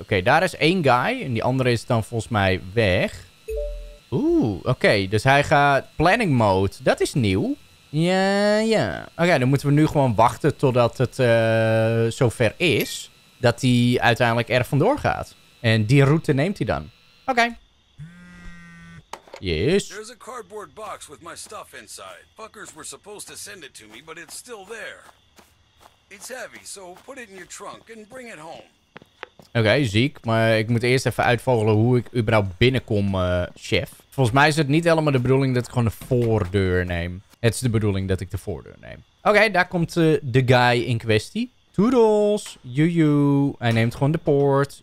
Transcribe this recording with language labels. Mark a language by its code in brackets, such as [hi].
[nl] Oké, okay, daar is 1 guy. En die andere is dan volgens mij weg. Oeh, oké. Okay, dus hij gaat planning mode. Dat is nieuw. Ja, ja. Oké, dan moeten we nu gewoon wachten totdat het zover is. Dat hij uiteindelijk er vandoor gaat. En die route neemt hij dan. Oké. Okay. Yes. [en] There's a cardboard box with my stuff inside. Fuckers were supposed to send it to me, but it's still there. It's heavy, so put it in your trunk and bring it home. [nl] Okay, ziek. Maar ik moet eerst even uitvogelen hoe ik überhaupt binnenkom, chef. Volgens mij is het niet helemaal de bedoeling dat ik gewoon de voordeur neem. Het is de bedoeling dat ik de voordeur neem. Okay, daar komt de guy in kwestie. Toodles. Juju. Hij neemt gewoon de poort.